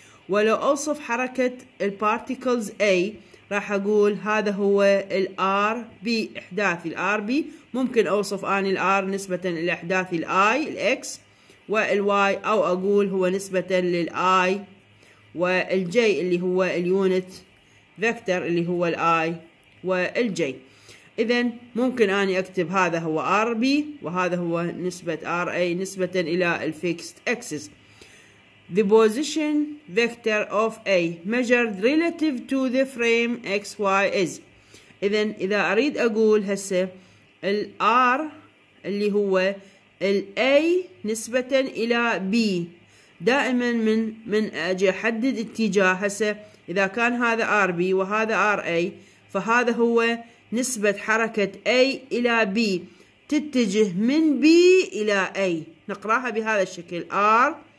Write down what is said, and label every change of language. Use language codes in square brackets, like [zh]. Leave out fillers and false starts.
[ar] ولو أوصف حركة الـ Particles A راح أقول هذا هو الـ RB إحداثي الـ RB ممكن أوصف آني الـ R نسبة إلى إحداثي الـ I الـ X والـ Y أو أقول هو نسبة للـ I والـ J اللي هو الـ Unit Vector اللي هو الـ I والـ J. إذن ممكن آني أكتب هذا هو RB وهذا هو نسبة RA نسبة إلى الـ Fixed Axis. [en] The position vector of A measured relative to the frame XY is. [ar] إذن إذا أريد أقول هسه الـ R اللي هو الـ A نسبة إلى B دائما من أجي أحدد اتجاه هسه إذا كان هذا RB وهذا RA فهذا هو نسبة حركة A إلى B تتجه من B إلى A نقراها بهذا الشكل R